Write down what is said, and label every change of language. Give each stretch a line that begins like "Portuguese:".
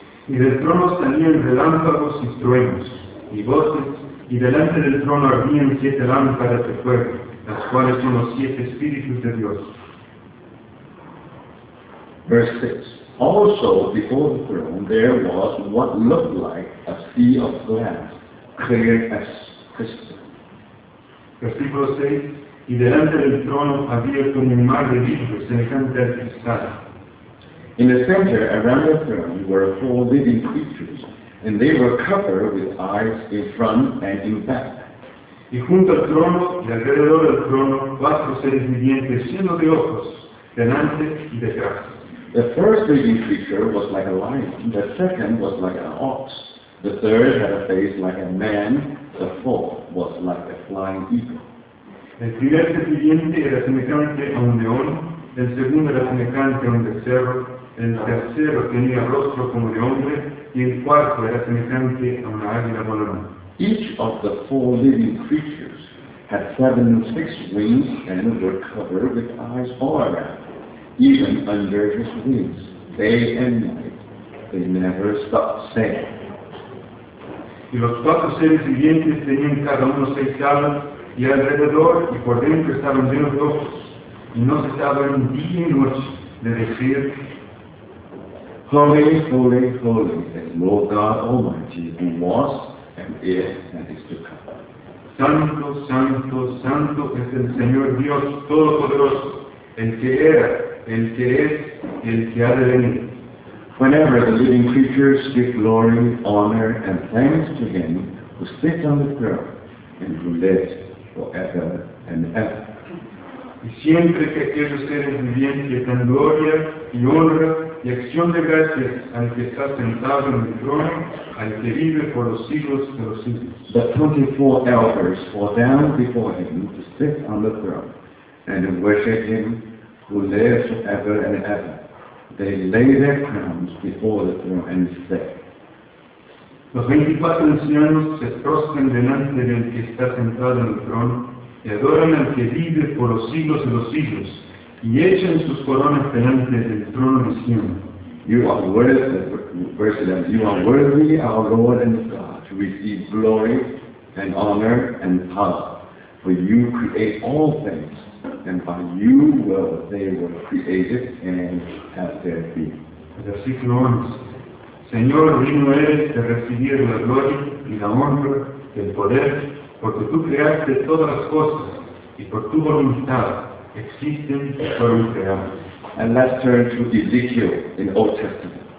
Spanish: Y del trono salían relámpagos y truenos, y voces, y delante del trono ardían 7 lámparas de fuego, las cuales son los 7 espíritus de Dios.
English: Verse 6. Also, before the throne, there was what looked like a sea of glass, clear as crystal.
Spanish: Versículo 6. Y delante del trono había como un mar de vidrio semejante al cristal.
English: In the center, around the throne, were 4 living creatures, and they were covered with eyes in front and in back.
Spanish: Y junto al trono y alrededor del trono, 4 seres vivientes llenos de ojos, delante y detrás.
English: The first living creature was like a lion, the second was like an ox, the third had a face like a man, the fourth was like a flying eagle.
Spanish: El primer ser viviente era semejante a un león, el segundo era semejante a un becerro, el tercero tenía rostro como de hombre, y el cuarto era semejante a una águila volando.
English: Each of the 4 living creatures had 7 wings and were covered with eyes all around. Even under his wings, day and night, they never stopped saying.
Spanish: Y los 4 seres vivientes tenían cada uno 6 alas, y alrededor y por dentro estaban llenos de ojos, y no cesaban día y noche de decir,
English: Holy, holy, holy, the Lord God Almighty, who was, and is, and is to come.
Spanish: Santo, santo, santo es el Señor Dios Todopoderoso, el que era, el que es, el que ha de venir.
English: Whenever the living creatures give glory, honor, and thanks to him who sits on the throne and who lives forever and ever.
Spanish: Y siempre que aquellos seres vivientes dan gloria y honra y acción de gracias al que está sentado en el trono, al que vive por los siglos de los siglos.
English: The 24 elders fall down before him to sit on the throne and worship him who lives forever and ever. They lay their crowns before the throne and say,
Spanish: Los 24 ancianos se prostran delante del que está sentado en el trono y adoran al que vive por los siglos de los siglos y echan sus coronas delante del trono diciendo,
English: You are worthy, verse 11, you are worthy, our Lord and God, to receive glory and honor and power, for you create all things, and by you will they were created and have their being.
Spanish: Versículo 11. Señor, digno eres de recibir la gloria y la honra y el poder, porque tú creaste todas las cosas y por tu voluntad existen y fueron creadas.
English: And let's turn to Ezekiel in Old Testament.